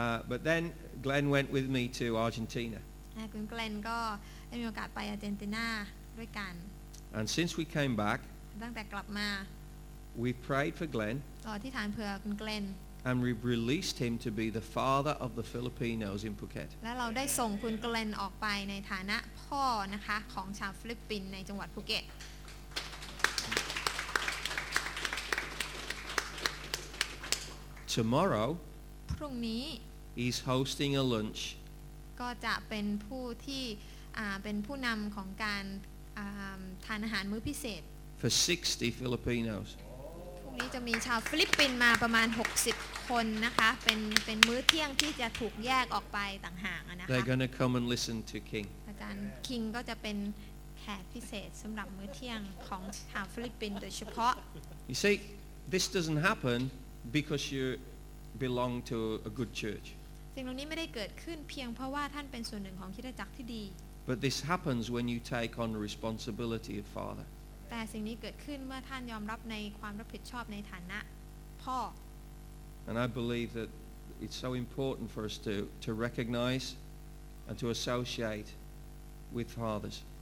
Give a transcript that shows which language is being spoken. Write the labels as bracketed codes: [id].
[en] but then Glenn went with me to Argentina [th] คุณ Glenn ก็ได้มีโอกาสไปอาร์เจนตินาด้วยกัน [en] And since we came back [th] ตั้งแต่กลับมา [en] we prayed for Glenn [th] ขออธิษฐานเผื่อคุณ Glenn [en] and we released him to be the father of the Filipinos in Phuket [th] แล้วเราได้ส่งคุณ Glenn ออกไปในฐานะพ่อนะคะของชาวฟิลิปปินส์ในจังหวัดภูเก็ต [en] Tomorrow [th] พรุ่งนี้ [en] he's hosting a lunch [th] ก็จะเป็นผู้ที่เป็นผู้นำของการทานอาหารมื้อพิเศษ [en] for 60 Filipinos [th] พรุ่งนี้จะมีชาวฟิลิปปินส์มาประมาณ60คนนะคะเป็นมื้อเที่ยงที่จะถูกแยกออกไปต่างหากนะคะ [en] They're going to come and listen to King [th] คิงก็จะเป็นแขกพิเศษสำหรับมื้อเที่ยงของชาวฟิลิปปินส์โดยเฉพาะ [en] You see this doesn't happen because you belong to a good church [th] สิ่งเหล่านี้ไม่ได้เกิดขึ้นเพียงเพราะว่าท่านเป็นส่วนหนึ่งของคริสตจักรที่ดี [en] But this happens when you take on responsibility of father [th] แต่สิ่งนี้เกิดขึ้นเมื่อท่านยอมรับในความรับผิดชอบในฐานะพ่อ [en] And I believe that it's so important for us to recognize and to associateWith fathers.